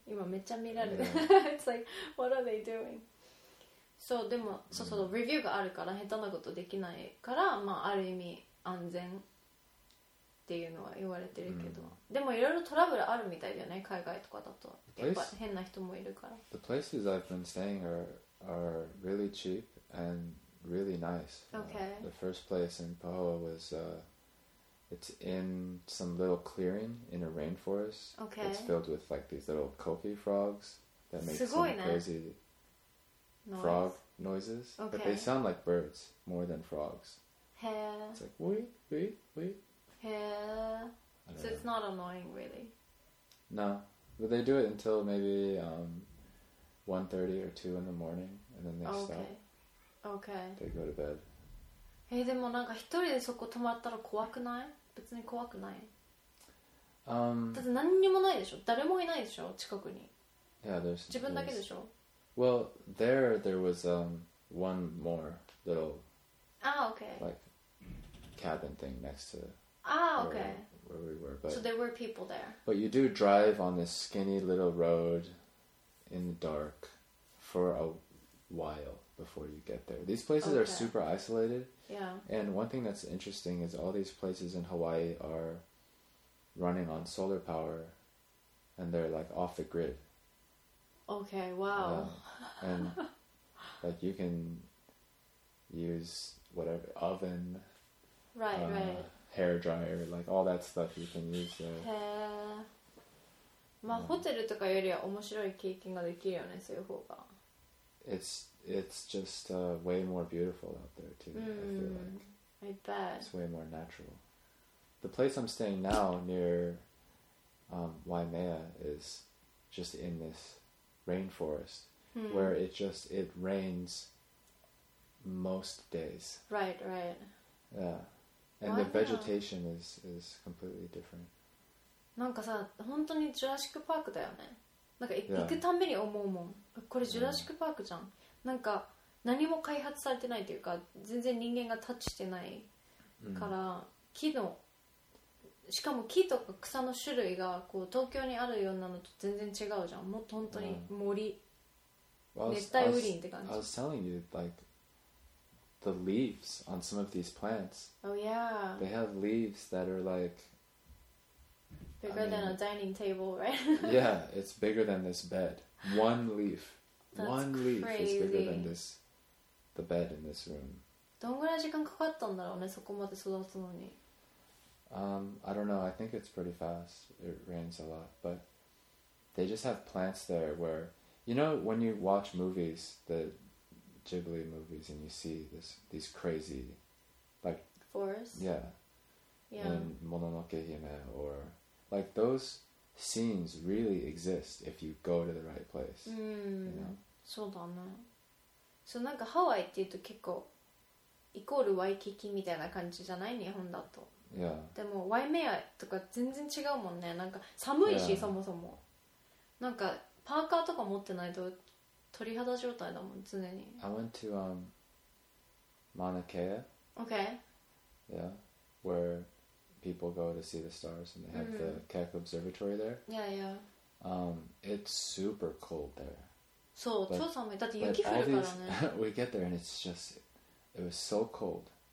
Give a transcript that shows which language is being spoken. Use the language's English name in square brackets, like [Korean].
[Japanese] 今めっちゃ見られて、 [English] yeah. It's like, what are they doing? [Japanese] そう、でも、そうそう、レビューがあるから、下手なことできないから、まあ、ある意味安全っていうのは言われてるけど、mm. でもいろいろトラブルあるみたいだよね、海外とかだと。やっぱ変な人もいるから。 [English] The places I've been staying are really cheap andReally nice. Okay. The first place in Pahoa was, it's in some little clearing in a rainforest. Okay. It's filled with like these little koki frogs that make some crazy frog noises. Okay. But they sound like birds more than frogs. Hey. It's like, wee, wee, wee. Hey. So it's not annoying really? No. But they do it until maybe 1:30 or 2 in the morning and then they stop. Okay. Okay. They go to bed. [Japanese] でもなんか一人でそこ泊まったら怖くない?別に怖くない。だって何にもないでしょ。誰もいないでしょ。近くに。 [English] Yeah, there's. [Japanese] 自分だけでしょ。 [English] Well, there was one more little. Ah, okay. Like cabin thing next to. Ah, okay. Where we were, but. So there were people there. But you do drive on this skinny little road, in the dark, for a while before you get there. These places okay. are super isolated. Yeah. And one thing that's interesting is all these places in Hawaii are. Running on solar power, and they're like off the grid. Okay, wow. Yeah. And like you can use whatever oven, right, right, hair dryer, like all that stuff you can use there. [Japanese] へえ。まあ、yeah. ホテルとかよりは面白い経験ができるよね、そういう方が。 [English] It's just way more beautiful out there too. Mm, I feel like. I bet. It's way more natural. The place I'm staying now near Waimea is just in this rainforest hmm. where it rains most days. Right, right. Yeah. And the vegetation is completely different. [Japanese] なんかさ、本当にジュラシックパークだよね。なんか行くたんびに思うもん。これジュラシックパークじゃん。なんか何も開発されてないというか、全然人間がタッチしてないから、木のしかも木とか草の種類がこう東京にあるようなのと全然違うじゃん。もっと本当に森、熱帯雨林って感じ。 [English] I was telling you like the leaves on some of these plants. Oh yeah. They have leaves that are like bigger than a dining table, right? yeah, it's bigger than this bed. One leaf, one leaf is bigger than this, the bed in this room. [Japanese] どんぐらい時間かかったんだろうね、そこまで育つのに。 [English] I don't know. I think it's pretty fast. It rains a lot, but they just have plants there where you know when you watch movies, the Ghibli movies, and you see these crazy, like forests. Yeah, yeah. In Mononoke Hime, or like those scenes really exist if you go to the right place. Mm, you know? [Japanese] そうだね。そう、なんかハワイって言うと結構イコールワイキキみたいな感じじゃない？日本だと。 [English] Yeah. [Japanese] でもワイメアとか全然違うもんね。なんか寒いし、yeah. そもそもなんかパーカーとか持ってないと鳥肌状態だもん常に。 [English] I went to Mauna Kea. Okay. Yeah, where people go to see the stars and they have、mm-hmm. the Keck Observatory there. Yeah, yeah. It's super cold there. [Japanese] そう、超寒い。だって雪降るからね。 [English] These, we get there and it's just it was so cold.